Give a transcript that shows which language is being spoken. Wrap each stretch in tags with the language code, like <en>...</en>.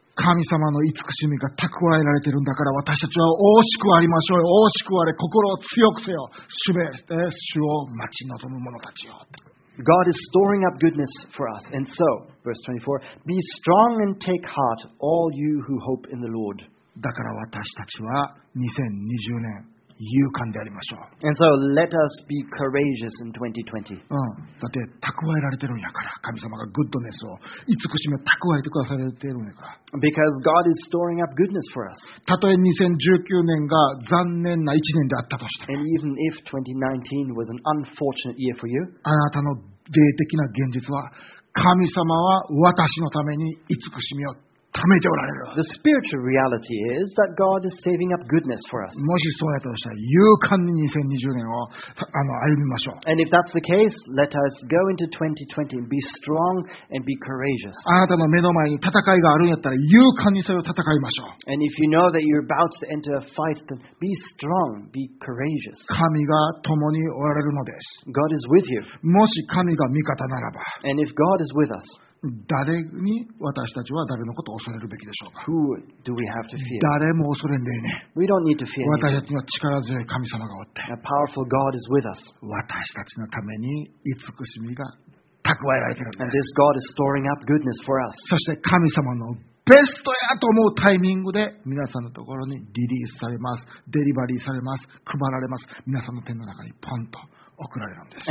<ja>神様の慈しみが蓄えられているんだから私たちは大きくありましょうよ大きくあれ心を強くせよ主べて主を待ち望む者たちよ</ja> <en>God is storing up goodness for us and so verse 24 be strong and take heart all you who hope in the Lord</en> <ja>だから私たちは2020年勇敢でありましょう</ja> <en>and so let us be courageous in</en> <ja>2020だって蓄えられてるんやから神様がグッドネスを慈しみを蓄えてくださってるんやから</ja> <en>because God is storing up goodness for us</en> <ja>たとえ2019年が残念な1年であったとしても</ja> <en>and even if 2019 was an unfortunate year for you</en> <ja>あなたの霊的な現実は神様は私のために慈しみを貯めておられる。</ja> <en>The spiritual reality is that God is saving up goodness for us.</en> <ja>もしそうやったとしたら、勇敢に2020年を歩みましょう。</ja> <en>And if that's the case, let us go into 2020 and be strong and be courageous.</en> <ja>あなたの目の前に戦いがあるんやったら、勇敢にそれを戦いましょう。</ja> <en>And if you know that you're about to enter a fight, then be strong, be courageous.</en> <ja>神が共におられるのです。</ja> <en>God is with you.</en> <ja>もし神が味方ならば。</ja> <en>And if God is with us.</en> <ja>誰に私たちは誰のことを恐れるべきでしょうか</ja> <en>Who do we have to fear?</en> <ja>誰も恐れんでいいね</ja> <en>we don't need to fear</en> <ja>私たちには力強い神様がおって</ja> <en>A powerful God is with us.</en> <ja>私たちのために慈しみが蓄えられているんです</ja> <en>And this God is storing up goodness for us.</en> <ja>そして神様のベストやと思うタイミングで皆さんのところにリリースされますデリバリーされます配られます皆さんの手の中にポンと送られるんです。</ja>